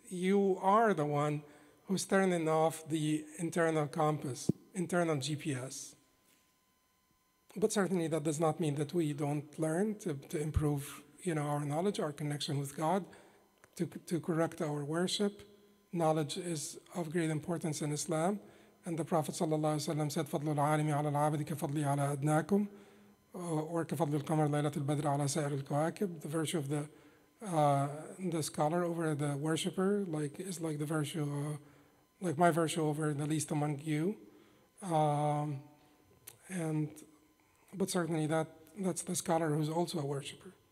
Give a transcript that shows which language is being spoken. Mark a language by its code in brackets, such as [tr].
[en] You are the one who's turning off the internal compass, internal GPS. But certainly that does not mean that we don't learn to improve, you know, our knowledge, our connection with God, to correct our worship. Knowledge is of great importance in Islam. And the Prophet ﷺ said, [ar] فَضْلُ الْعَالِمِ عَلَى الْعَابِدِ كَفَضْلِي عَلَى أَدْنَاكُمْ وَكَفَضْلِ الْقَمَرِ لَيْلَةِ الْبَدْرِ عَلَى سَائِرِ الْكَوَاكِبِ. [en] The virtue of the scholar over the worshipper, like, is like the virtue, like my virtue over the least among you. But certainly that's the scholar who's also a worshipper.